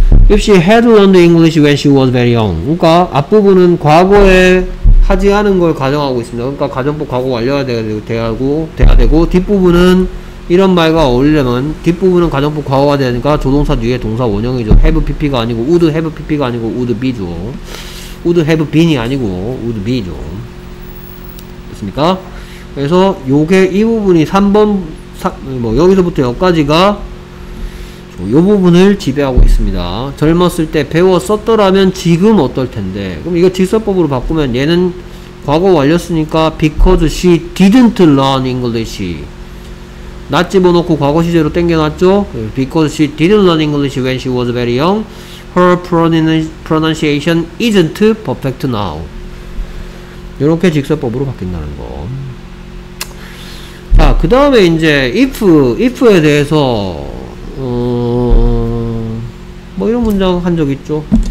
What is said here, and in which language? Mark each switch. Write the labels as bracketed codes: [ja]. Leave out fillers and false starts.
[en] If she had learned English when she was very young. [ko] 그러니까 앞부분은 과거에 하지 않은 걸 가정하고 있습니다. 그러니까 가정법 과거 완료가 돼야 되고 뒷부분은 이런 말과 어울리려면 뒷부분은 가정법 과거가 돼야 되니까 조동사 뒤에 동사 원형이죠. have pp가 아니고 [en] would have pp [ko] 가 아니고 would be죠. [en] would have been [ko] 이 아니고 would be죠. 됐습니까? 그래서 요게 이 부분이 3번 여기서부터 여기까지가 요 부분을 지배하고 있습니다. 젊었을 때 배웠었더라면 지금 어떨 텐데. 그럼 이거 직설법으로 바꾸면 얘는 과거 완료였으니까 [en] because she didn't learn English. [ko] 낯 집어넣고 과거 시제로 땡겨놨죠. [en] because she didn't learn English when she was very young. her pronunciation isn't perfect now. [ko] 요렇게 직설법으로 바뀐다는 거. 자, 그 다음에 이제 if에 대해서 뭐 이런 문장 한 적 있죠.